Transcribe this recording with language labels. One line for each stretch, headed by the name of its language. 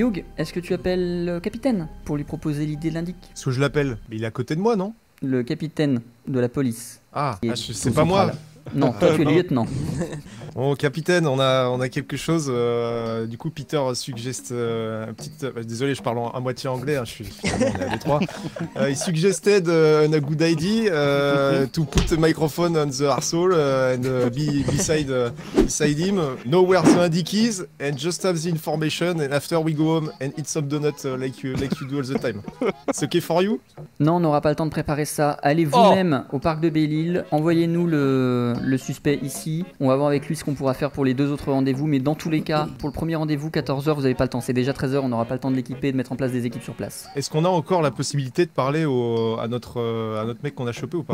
French: Hugh, est-ce que tu appelles le capitaine pour lui proposer l'idée de l'indic? Est-ce que je l'appelle? Il est à côté de moi, non? Le capitaine de la police. Ah, c'est pas central. Moi. Non, toi tu es le lieutenant. Bon, capitaine, on a quelque chose. Du coup, Peter suggeste un petit. Désolé, je parle à moitié anglais. Hein, je suis à Détroit. Il suggestait
English: a good idea to put the microphone on the arsehole and beside him. Know where the indic is and just have the information. And after we go home and eat some donuts like you do all the time. It's okay for you?
French: Non, on n'aura pas le temps de préparer ça. Allez vous-même au parc de Belle-Île. Envoyez-nous le suspect ici. On va voir avec lui ce qu'on pourra faire pour les deux autres rendez-vous, mais dans tous les cas, pour le premier rendez-vous, 14h, vous n'avez pas le temps. C'est déjà 13h, on n'aura pas le temps de l'équiper et de mettre en place des équipes sur place. Est-ce qu'on a encore la possibilité de parler à notre mec qu'on a chopé ou pas?